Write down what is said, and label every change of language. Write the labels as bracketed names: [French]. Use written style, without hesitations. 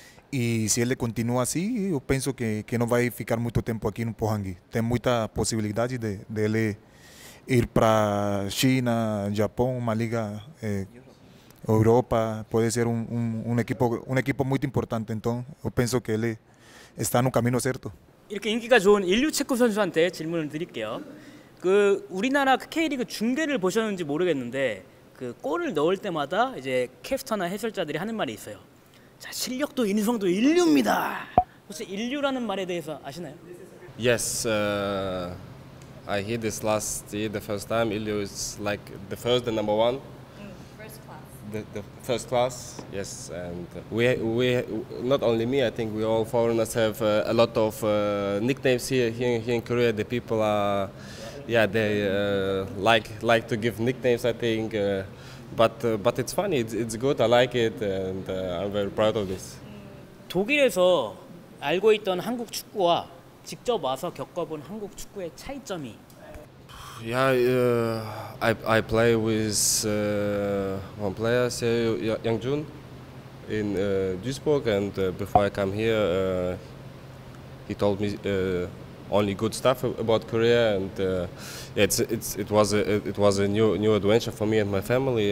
[Spanish] Y si él continúa así, yo pienso que no va a ficar mucho tiempo aquí en Pohang. Tiene muchas posibilidades de él ir para China, Japón, una liga Europa. Puede ser un equipo muy importante. Entonces, yo pienso que él está en un camino cierto. [Korean] 이렇게 인기가 좋은 일류체코 선수한테 질문을 드릴게요. 그 우리나라 K리그 중계를 보셨는지 모르겠는데 그 골을 넣을 때마다 이제 캐스터나 해설자들이 하는 말이 있어요. 자, 실력도 인성도 인류입니다. 혹시 인류라는 말에 대해서 아시나요? [English] Yes, I hear this last year, the first time. Ilio is like the first, the number one. The first class, yes. And we not only me, I think we all foreigners have a lot of nicknames here in Korea. The people are, yeah, they like to give nicknames, I think. But it's funny, it's good, I like it, and I'm very proud of this. [Korean] 독일에서 알고 있던 한국 축구와 직접 와서 겪어본 한국 축구의 차이점이? [English] Yeah, I play with one player, Seo Young-jun, in Duisburg, and before I come here, he told me only good stuff about Korea, and it was a new adventure for me and my family.